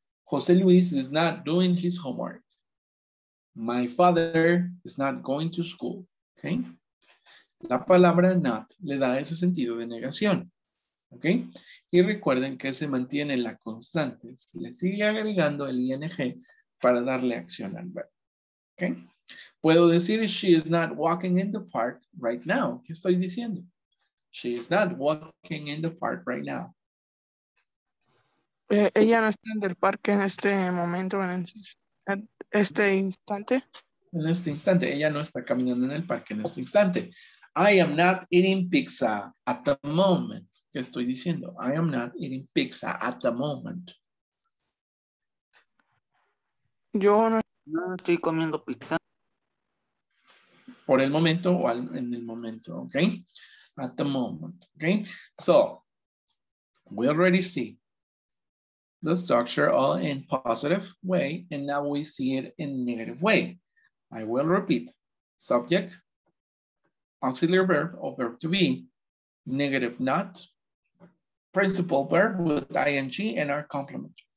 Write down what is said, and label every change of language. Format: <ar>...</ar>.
<en>José Luis is not doing his homework. My father is not going to school. Okay?</en> <es>La palabra not le da ese sentido de negación. Okay? Y recuerden que se mantiene la constante. Si le sigue agregando el ing para darle acción al verbo. Okay? Puedo decir</es> <en>she is not walking in the park right now.</en> <es>¿Qué estoy diciendo?</es> <en>She is not walking in the park right now.</en> <es>Ella no está en el parque en este momento, en este instante. En este instante, ella no está caminando en el parque en este instante.</es> <en>I am not eating pizza at the moment.</en> <es>¿Qué estoy diciendo?</es> <en>I am not eating pizza at the moment.</en> <es>Yo no estoy comiendo pizza. Por el momento o en el momento, ¿ok?</es> <en>At the moment, ¿ok? So, we already see the structure all in positive way, and now we see it in negative way. I will repeat. Subject, auxiliary verb or verb to be, negative not, principal verb with ing and our complement.</en>